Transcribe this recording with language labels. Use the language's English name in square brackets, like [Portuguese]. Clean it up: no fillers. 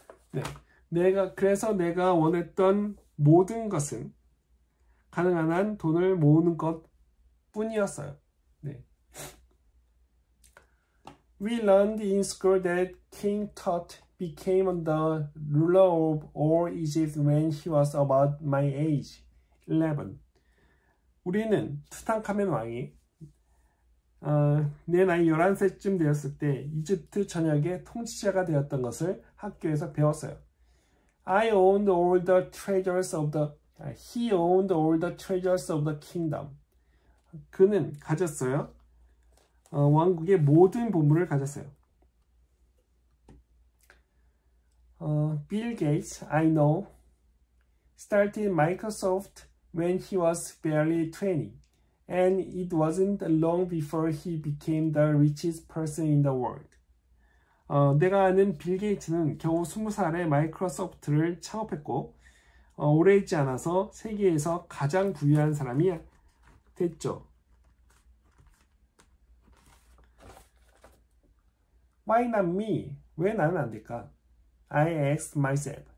[Korean] 네, 그래서 내가 원했던 모든 것은 가능한 한 돈을 모으는 것뿐이었어요. [English] We learned in school that King Tut became the ruler of all Egypt when he was about my age, 11. [Korean] 우리는 투탕카멘 왕이 내 나이 11세쯤 되었을 때 이집트 전역의 통치자가 되었던 것을 학교에서 배웠어요. [English] He owned all the treasures of the kingdom. [Korean] 그는 가졌어요. 왕국의 모든 보물을 가졌어요. [English] 빌 게이츠, I know, started Microsoft when he was barely 20, and it wasn't long before he became the richest person in the world. [Korean] 내가 아는 빌 게이츠는 겨우 20살에 마이크로소프트를 창업했고, 오래 있지 않아서 세계에서 가장 부유한 사람이 됐죠. [English] Why not me? [Korean] 왜 나는 안 될까? [English] I asked myself.